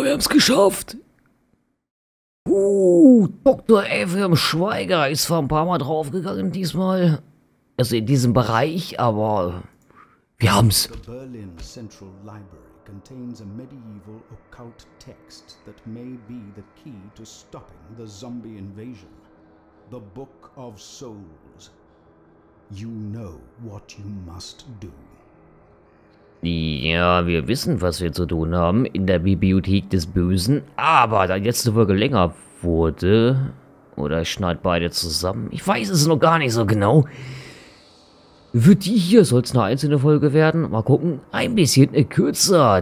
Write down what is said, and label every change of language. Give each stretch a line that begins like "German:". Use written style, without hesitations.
German: Geschafft. Dr. Ephraim Schweiger ist vor ein paar Mal draufgegangen diesmal. Also in diesem Bereich, aber wir haben's.
English: The Berlin Central Library contains a medieval occult text that may be the key to stopping the zombie invasion. The Book of Souls. You know what you must do.
German: Ja, wir wissen, was wir zu tun haben in der Bibliothek des Bösen, aber da die letzte Folge länger wurde, oder schneid beide zusammen, ich weiß es noch gar nicht so genau, Wird die hier, soll es eine einzelne Folge werden? Mal gucken, ein bisschen kürzer.